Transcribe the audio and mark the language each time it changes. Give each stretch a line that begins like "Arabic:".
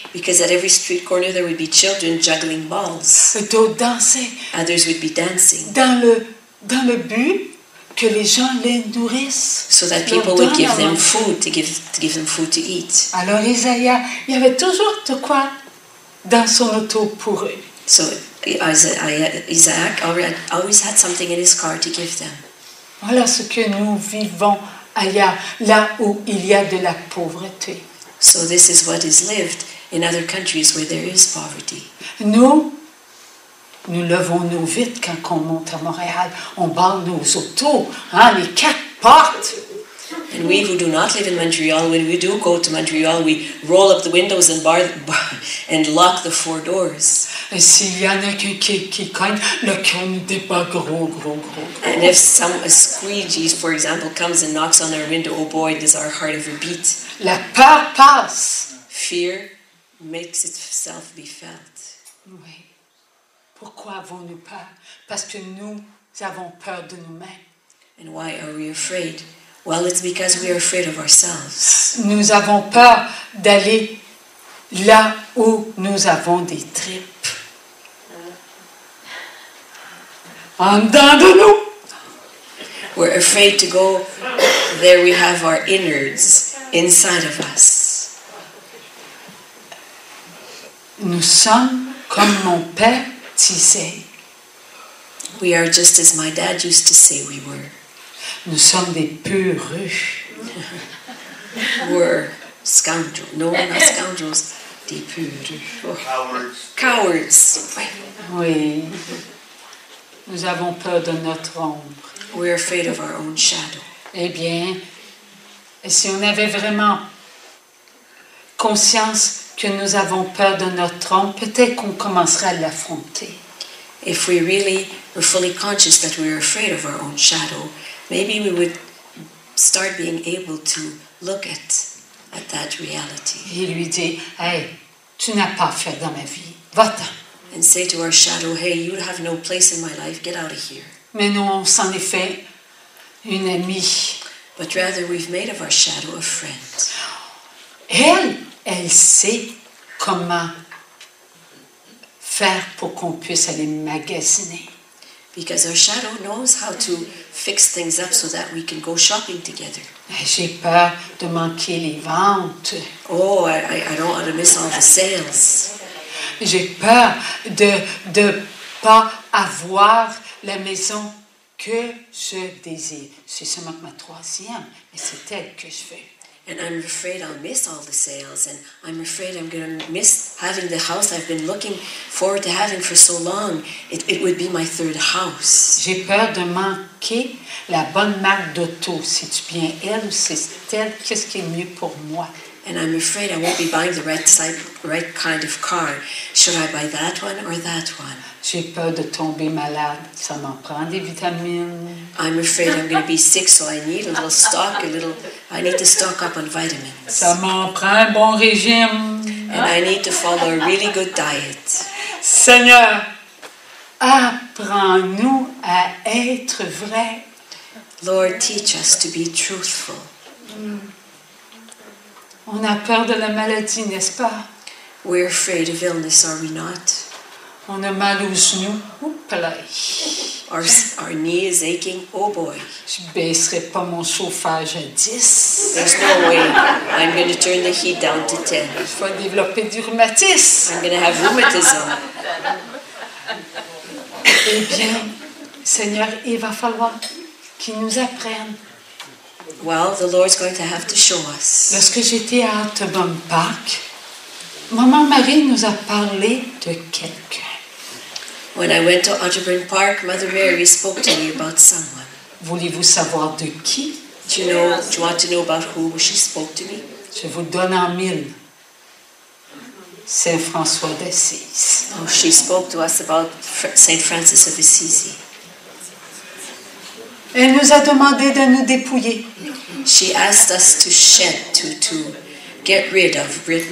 English: Because at every street corner, there would be children juggling balls.
French: D'autres dansaient.
English: Others would be dancing.
French: Dans le but que les gens les nourrissent.
English: So that people would give them food, to give them food to eat.
French: Alors Isaiah, il y avait toujours de quoi dans son auto pour eux.
English: So Isaac always had something in his car to give them.
French: Voilà ce que nous vivons ailleurs, là où il y a de la pauvreté.
English: So this is what is lived in other countries where there is poverty.
French: Nous levons nos vitres quand on monte à Montréal. On barre nos autos, hein, les quatre portes.
English: And we who do not live in Montreal, when we do go to Montreal, we roll up the windows and bar and lock the four doors.
French: Et s'il y en a qui cogne, le cœur n'était pas gros.
English: And if a squeegee, for example, comes and knocks on our window, oh boy, does our heart ever beat.
French: La peur passe.
English: Fear makes itself be felt.
French: Oui. Pourquoi avons-nous peur? Parce que nous avons peur de nous-mêmes.
English: And why are we afraid? Well, it's because we are afraid of ourselves.
French: Nous avons peur d'aller là où nous avons des tripes. En dedans de nous!
English: We're afraid to go there we have our innards inside of us.
French: Nous sommes comme mon père disait.
English: We are just as my dad used to say we were.
French: Nous sommes des peureux.
English: We're scoundrels. No, we're not scoundrels.
French: Des peureux.
English: Cowards.
French: Oui. Nous avons peur de notre ombre.
English: We're afraid of our own shadow.
French: Eh bien, Et si on avait vraiment conscience que nous avons peur de notre homme, peut-être qu'on commencerait à l'affronter.
English: If we really were fully conscious that we were afraid of our own shadow, maybe we would start being able to look at that reality.
French: Et lui dit, hey, tu n'as pas fait dans ma vie. Va-t'en.
English: And say to our shadow, hey, you have no place in my life. Get out of here.
French: Mais nous, on s'en est fait une amie.
English: But rather, we've made of our shadow a friend.
French: Elle sait comment faire pour qu'on puisse aller magasiner.
English: Because our shadow knows how to fix things up so that we can go shopping together.
French: J'ai peur de manquer les ventes.
English: Oh, I don't want to miss all the sales.
French: J'ai peur de pas avoir la maison que je désire. C'est seulement ma troisième, mais c'est elle que je veux.
English: And I'm afraid I'll miss all the sales, and I'm afraid I'm going to miss having the house I've been looking forward to having for so long. It would be my third house.
French: J'ai peur de manquer la bonne marque d'auto. C'est-tu bien elle ou c'est elle? Qu'est-ce qui est mieux pour moi?
English: And I'm afraid I won't be buying the right kind of car. Should I buy that one or that one?
French: J'ai peur de tomber malade. Ça m'en prend des vitamines.
English: I'm afraid I'm going to be sick, so I need a little stock, I need to stock up on vitamins.
French: Ça m'en prend un bon régime.
English: And I need to follow a really good diet.
French: Seigneur, apprends-nous à être vrai.
English: Lord, teach us to be truthful.
French: On a peur de la maladie, n'est-ce pas?
English: We're afraid of illness, are we not?
French: On a mal aux genoux. Oups.
English: Our knee is aching. Oh boy.
French: Je baisserai pas mon chauffage à 10.
English: There's no way I'm going to turn the heat down to 10.
French: Je vais développer du rhumatisme.
English: I'm going to have rheumatism.
French: Eh bien, Seigneur, il va falloir qu'il nous apprenne.
English: Well, the Lord's going to have to show us.
French: Lorsque j'étais à Autobahn Park, Maman Marie nous a parlé de quelqu'un.
English: When I went to Otterburn Park, Mother Mary spoke to me about someone.
French: Voulez-vous savoir de qui?
English: Do you want to know about who she spoke to me?
French: Je vous donne en mille. Saint François d'Assise.
English: Oh, she spoke to us about Saint Francis of Assisi.
French: Elle nous a demandé de nous dépouiller.
English: She asked us to shed, to get rid of.